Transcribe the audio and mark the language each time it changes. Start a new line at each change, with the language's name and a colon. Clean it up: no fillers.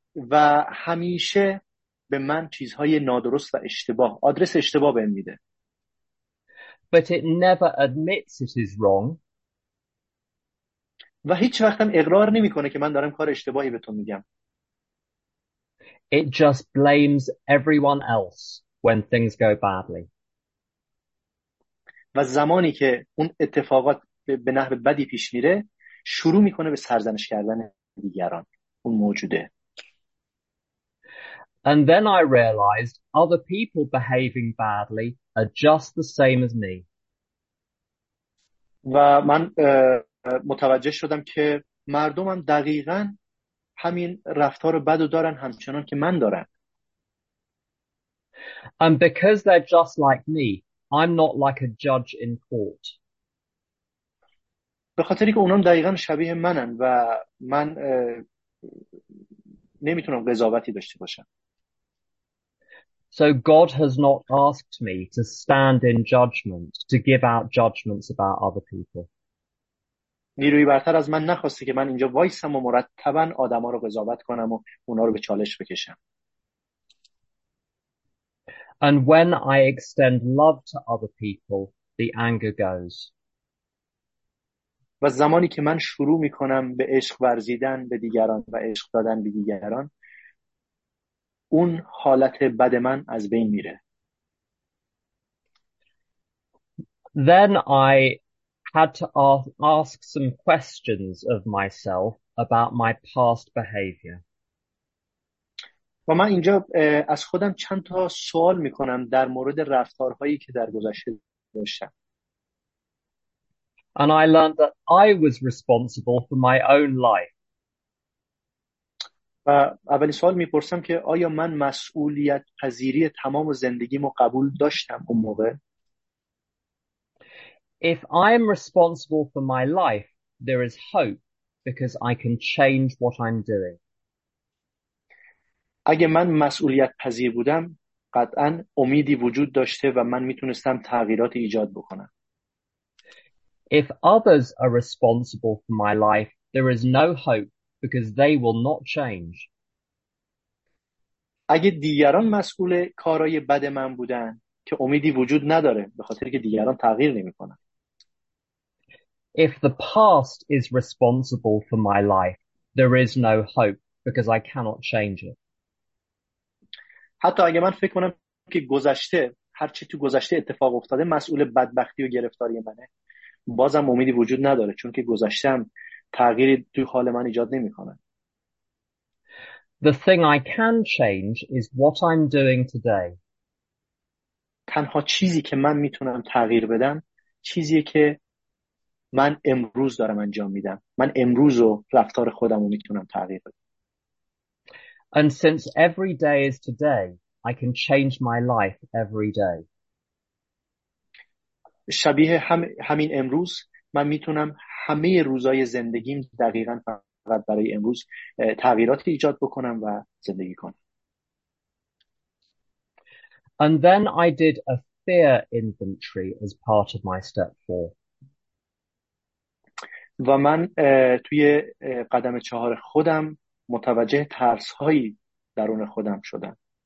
Persian: و همیشه به من چیزهای نادرست و اشتباه، آدرس اشتباه بهم میده.
English: But it never admits it is wrong.
Persian: و هیچ وقت هم اقرار نمی کنه که من دارم کار اشتباهی به تو میگم.
English: It just blames everyone else when things go badly.
Persian: و زمانی که اون اتفاقات به نحو بدی پیش میره، شروع میکنه به سرزنش کردن دیگران، اون موجوده.
English: And then I realized other people behaving badly are just the same as me.
Persian: و من متوجه شدم که مردم هم دقیقاً همین رفتار بدو دارن همچنان که من دارم.
English: And because they're just like me, I'm not like a judge in court.
Persian: به خاطری که اونام دقیقاً شبیه منن و من نمیتونم قضاوتی داشته باشم.
English: So God has not asked me to stand in judgment, to give out judgments about other people.
Persian: نیروی برتر از من نخواسته که من اینجا وایسم و مرتباً آدما رو قضاوت کنم و اونا رو به چالش بکشم.
English: And when I extend love to other people, the anger goes.
Persian: و زمانی که من شروع میکنم به عشق ورزیدن به دیگران و عشق دادن به دیگران، اون حالت بد من از بین میره.
English: Then I had to ask some questions of myself about my past behavior.
Persian: و من اینجا از خودم چند تا سوال میکنم در مورد رفتارهایی که در گذشته داشتم.
English: And I learned that I was responsible for my own life.
Persian: و اولین سوال میپرسم که آیا من مسئولیت پذیری تمام زندگیمو قبول داشتم اون موقع؟
English: If I am responsible for my life, there is hope because I can change what I'm doing.
Persian: اگه من مسئولیت پذیر بودم، قطعاً امیدی وجود داشته و من میتونستم تغییرات ایجاد بکنم.
English: If others are responsible for my life, there is no hope because they will not change.
Persian: اگه دیگران مسئول کارهای بد من بودن، که امیدی وجود نداره به خاطر که دیگران تغییر نمی‌کنن.
English: If the past is responsible for my life, there is no hope because I cannot change it.
Persian: حتی اگه من فکر کنم که گذشته، هر چی تو گذشته اتفاق افتاده مسئول بدبختی و گرفتاری منه، بازم امیدی وجود نداره چون که گذشتم تغییری تو حال من ایجاد نمی‌کنه.
English: The thing I can change is what I'm doing today.
Persian: تنها چیزی که من میتونم تغییر بدم چیزیه که من امروز دارم انجام میدم. من امروز و رفتار خودم رو میتونم تغییر بدم.
English: And since every day is today, I can change my life every day.
Persian: شبیه همین امروز من میتونم همه روزای زندگیم دقیقاً فقط برای امروز تغییرات ایجاد بکنم و زندگی کنم.
English: And then I did a fear inventory as part of my step four.
Persian: و من توی قدم چهار خودم متوجه ترس هایی درون خودم شدم.